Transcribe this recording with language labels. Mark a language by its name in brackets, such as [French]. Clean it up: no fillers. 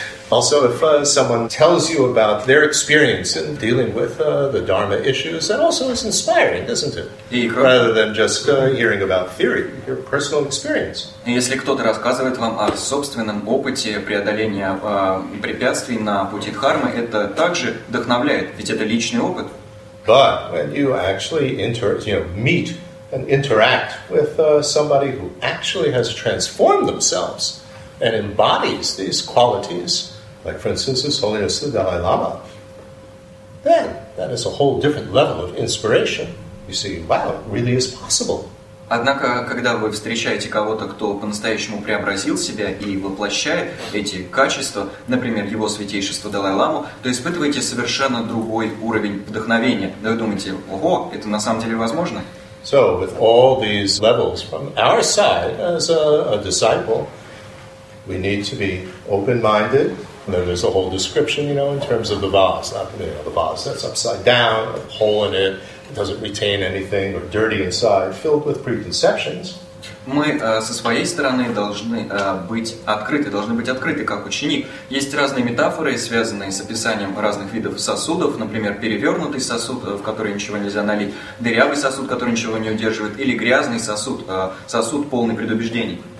[English] Also, if someone tells you about their experience in dealing with the Dharma issues, that also is inspiring, isn't it? Rather than just hearing about theory, your personal experience. [Russian] Если кто-то рассказывает вам о собственном опыте преодоления препятствий на пути дхармы, это также вдохновляет, ведь это личный опыт. [English] But when you actually meet and interact with somebody who actually has transformed themselves and embodies these qualities, like, for instance, His Holiness the Dalai Lama, then that is a whole different level of inspiration. You see, wow, it really is possible. [Russian] Однако, когда вы встречаете кого-то, кто по-настоящему преобразил себя и воплощает эти качества, например, Его Святейшество Далай-Ламу, то испытываете совершенно другой уровень вдохновения. Да вы думаете, ого, это на самом деле возможно? [English] So, with all these levels from our side as a disciple, we need to be open-minded. There's a whole description, you know, in terms of the vase. Not, you know, the vase that's upside down, a hole in it, it doesn't retain anything, or dirty inside, filled with preconceptions. [Russian] Мы со своей стороны должны быть открыты, как ученик. Есть разные метафоры, связанные с описанием разных видов сосудов, например, перевернутый сосуд, в который ничего нельзя налить, дырявый сосуд, который ничего не удерживает, или грязный сосуд, сосуд полный предубеждений.